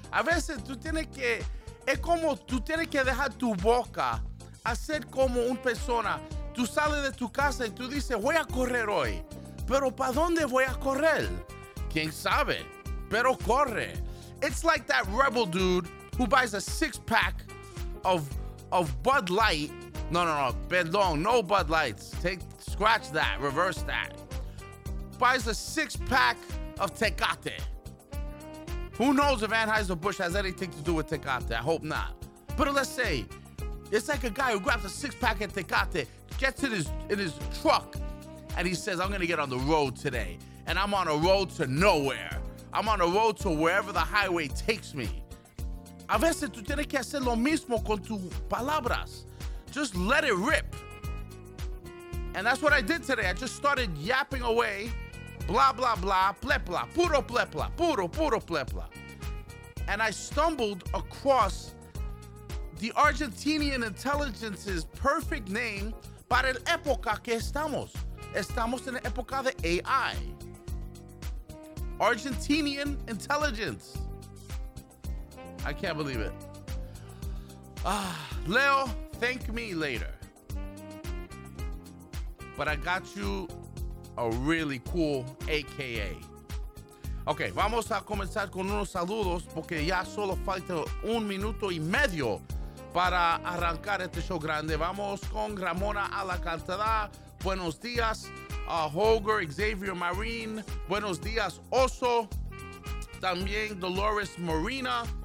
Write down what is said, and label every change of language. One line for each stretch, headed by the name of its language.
Spanish: A veces tú tienes que, es como tú tienes que dejar tu boca hacer como un persona. Tú sales de tu casa y tú dices, voy a correr hoy. Pero ¿para dónde voy a correr? ¿Quién sabe? Pero corre.
English: It's like that rebel dude who buys a six-pack of Bud Light.
Spanish: No, no, no. Perdón. No Bud Lights.
English: Scratch that. Reverse that. Buys a six-pack of Tecate. Who knows if Anheuser-Busch has anything to do with Tecate? I hope not. But let's say, it's like a guy who grabs a six-pack of Tecate, gets in his truck, and he says, I'm going to get on the road today, and I'm on a road to nowhere. I'm on a road to wherever the highway takes me.
Spanish: A veces tú tienes que hacer lo mismo con tus palabras.
English: Just let it rip. And that's what I did today. I just started yapping away. Blah, blah, blah, plepla, puro plepla, puro, puro plepla. And I stumbled across the Argentinian intelligence's perfect name
Spanish: para el época que estamos. Estamos en la época de AI.
English: Argentinian intelligence. I can't believe it. Leo, thank me later. But I got you a really cool AKA.
Spanish: Okay, vamos a comenzar con unos saludos porque ya solo falta un minuto y medio para arrancar este show grande. Vamos con Ramona a la cantada. Buenos días, Holger, Xavier Marín. Buenos días, Oso. También Dolores Marina.